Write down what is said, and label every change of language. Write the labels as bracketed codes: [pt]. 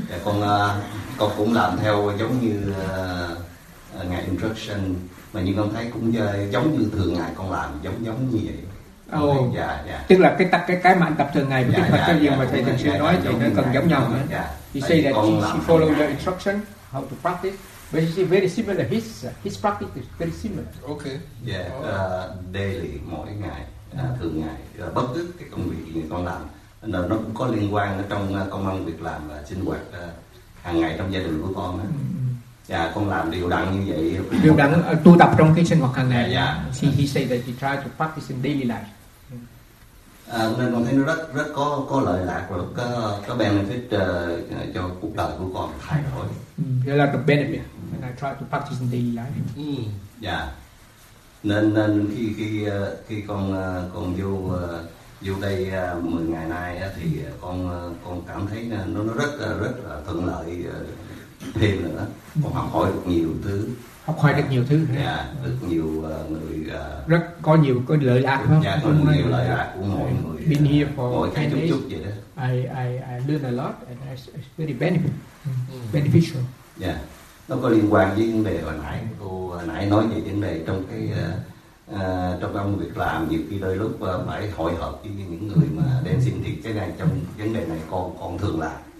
[vi] Dạ con cũng làm theo giống như ngày instruction, mà như con thấy cũng giống như thường ngày con làm giống như vậy. Oh. Dạ, tức là cái mà anh tập thường ngày với cái Phật giáo mà thầy thường xuyên nói thì nó cần giống nhau hả? Dạ. [en] You say that she follow the instruction how to practice. But it's very similar. His practice is very similar. Okay. Yeah. [vi] Daily, mỗi ngày, thường ngày, bất cứ cái công việc gì con làm, nó cũng có liên quan ở trong công ăn việc làm và sinh hoạt hàng ngày trong gia đình của con. Dạ, con làm điều đặn như vậy. Điều đặn tu tập trong cái sinh hoạt hàng ngày. Dạ. [en] He say that he try to practice in daily life. [vi] Nên con thấy nó rất rất có lợi lạc và có benefit cho cuộc đời của con thay đổi. [en] There are a lot of benefit when I try to practice in daily life. [vi] Dạ. Nên khi con vô đây 10 ngày nay thì con cảm thấy nó rất là thuận lợi thêm nữa. Con học hỏi được nhiều thứ. Học hỏi được nhiều thứ. Dạ, được nhiều người rất có nhiều cái lợi lạc không? Dạ, có nhiều lợi lạc của mọi người. [en] Been here for [vi] mọi cái chút chút vậy đó. [en] I learn a lot and it's very beneficial. [vi] Dạ. Nó có liên quan với vấn đề hồi nãy cô nãy nói về vấn đề trong cái trong công việc làm, nhiều khi đôi lúc phải hội họp với những người mà đem xin thì cái này trong vấn đề này con thường làm.